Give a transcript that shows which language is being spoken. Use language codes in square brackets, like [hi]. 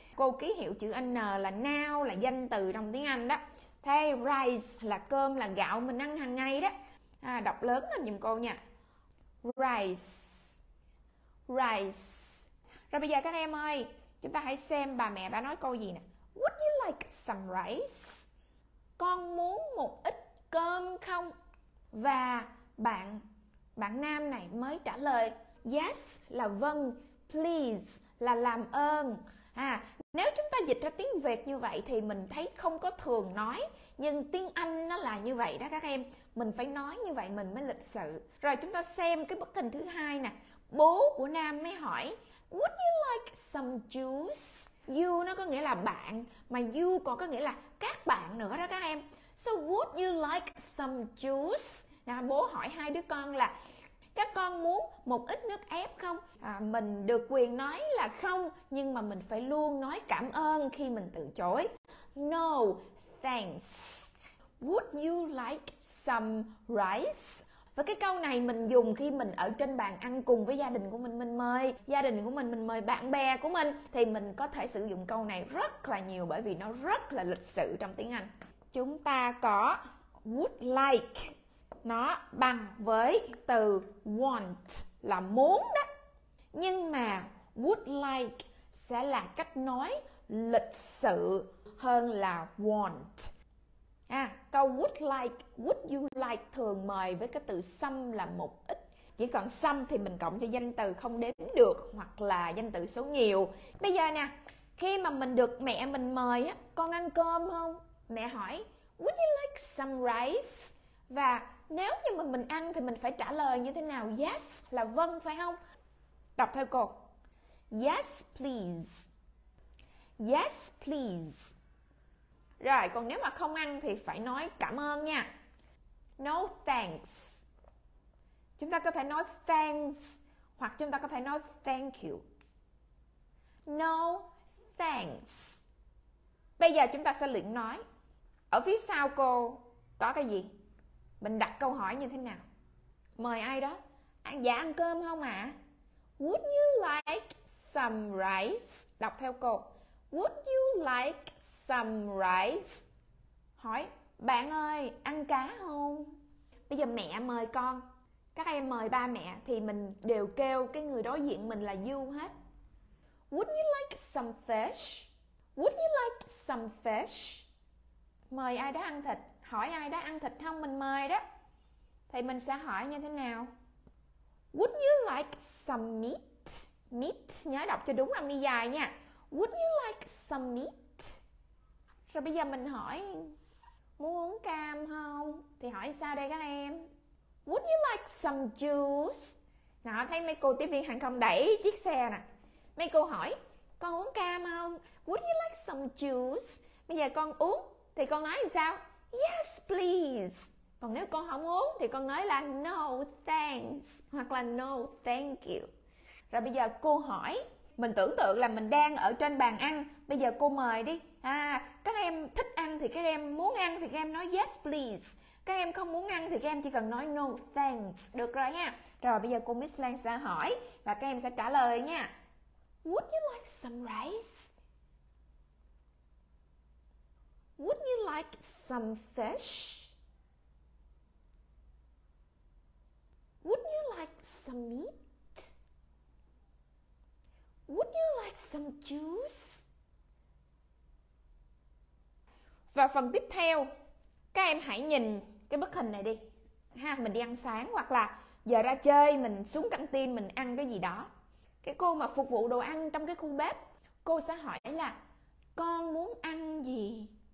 [vi] Cô ký hiệu chữ N là noun, là danh từ trong tiếng Anh đó. Thế rice là cơm, là gạo mình ăn hàng ngày đó. À, đọc lớn lên giùm cô nha. Rice. Rice. Rồi bây giờ các em ơi, chúng ta hãy xem bà mẹ bà nói câu gì nè. [en] Would you like some rice? [vi] Con muốn một ít cơm không? Và bạn nam này mới trả lời yes là vâng, please là làm ơn. À, nếu chúng ta dịch ra tiếng Việt như vậy thì mình thấy không có thường nói, nhưng tiếng Anh nó là như vậy đó các em. Mình phải nói như vậy mình mới lịch sự. Rồi chúng ta xem cái bức hình thứ hai nè. Bố của nam mới hỏi [en] would you like some juice? [vi] You nó có nghĩa là bạn, mà you còn có nghĩa là các bạn nữa đó các em. [en] So would you like some juice? [vi] Nào, bố hỏi hai đứa con là các con muốn một ít nước ép không? À, mình được quyền nói là không, nhưng mà mình phải luôn nói cảm ơn khi mình từ chối. [en] No, thanks. Would you like some rice? [vi] Và cái câu này mình dùng khi mình ở trên bàn ăn cùng với gia đình của mình. Mình mời gia đình của mình mời bạn bè của mình. Thì mình có thể sử dụng câu này rất là nhiều bởi vì nó rất là lịch sự trong tiếng Anh. Chúng ta có would like. Nó bằng với từ want là muốn đó. Nhưng mà would like sẽ là cách nói lịch sự hơn là want. À, câu would like, would you like thường mời với cái từ some là một ít. Chỉ còn some thì mình cộng cho danh từ không đếm được hoặc là danh từ số nhiều. Bây giờ nè, khi mà mình được mẹ mình mời á, con ăn cơm không? Mẹ hỏi, [en] would you like some rice? [vi] Và nếu như mà mình ăn thì mình phải trả lời như thế nào? Yes là vâng phải không? Đọc theo cô. [en] Yes please. Yes please. [vi] Rồi còn nếu mà không ăn thì phải nói cảm ơn nha. [en] No thanks. [vi] Chúng ta có thể nói thanks hoặc chúng ta có thể nói thank you. [en] No thanks. [vi] Bây giờ chúng ta sẽ luyện nói. Ở phía sau cô có cái gì? Mình đặt câu hỏi như thế nào? Mời ai đó? Dạ ăn cơm không ạ? [en] Would you like some rice? [vi] Đọc theo cô. [en] Would you like some rice? [vi] Hỏi bạn ơi ăn cá không? Bây giờ mẹ mời con, các em mời ba mẹ thì mình đều kêu cái người đối diện mình là you hết. [en] Would you like some fish? Would you like some fish? [vi] Mời ai đó ăn thịt? Hỏi ai đó ăn thịt không? Mình mời đó. Thì mình sẽ hỏi như thế nào? [en] Would you like some meat? [vi] Meat, nhớ đọc cho đúng âm y dài nha. [en] Would you like some meat? [vi] Rồi bây giờ mình hỏi muốn uống cam không? Thì hỏi sao đây các em? Would you like some juice? Nào thấy mấy cô tiếp viên hàng không đẩy chiếc xe nè. Mấy cô hỏi con uống cam không? [en] Would you like some juice? [vi] Bây giờ con uống thì con nói là sao? [en] Yes, please. [vi] Còn nếu con không uống thì con nói là [en] no thanks [vi] hoặc là [en] no thank you. [vi] Rồi bây giờ cô hỏi, mình tưởng tượng là mình đang ở trên bàn ăn, bây giờ cô mời đi. À, các em thích ăn thì các em muốn ăn thì các em nói [en] yes please. [vi] Các em không muốn ăn thì các em chỉ cần nói [en] no thanks [vi] được rồi nha. Rồi bây giờ cô Miss Lan sẽ hỏi và các em sẽ trả lời nha. [en] Would you like some rice? Would you like some fish? Would you like some meat? Would you like some juice? [vi] Và phần tiếp theo, các em hãy nhìn cái bức hình này đi. Ha, mình đi ăn sáng hoặc là giờ ra chơi mình xuống căng tin mình ăn cái gì đó. Cái cô mà phục vụ đồ ăn trong cái khu bếp, cô sẽ hỏi là con muốn ăn gì?